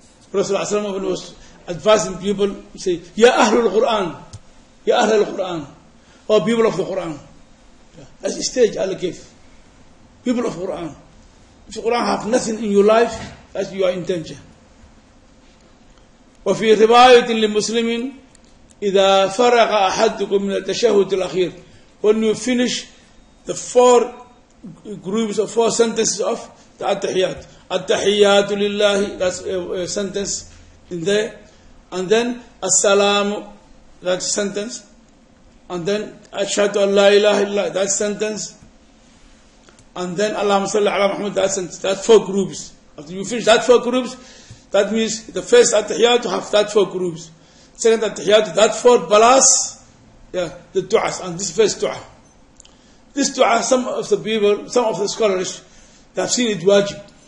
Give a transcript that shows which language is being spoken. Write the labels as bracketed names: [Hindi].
[English] Prophet was advising people, say, Ya Ahlul Quran! Ya Ahlul Quran! Oh, people of the Quran! Yeah. That's the stage Allah gave. People of Quran. If the Quran have nothing in your life, that's your intention. [Arabic] وفي رواية للمسلم إذا فرغ أحدكم من التشهد الأخير. [English] When you finish the four groups of four sentences of the التحيات. التحيات لله, that's a sentence in there. And then السلام, that sentence. [Arabic] And then أشهد أن لا إله إلا الله, that sentence. [English] And then Allahumma salli ala Muhammad, that four groups. After you finish that four groups, that means the first attahiyat have that four groups. Second attahiyat, that four balas, yeah, the du'as, and this first du'a. This du'a, some of the people, some of the scholars, they have seen it wajib.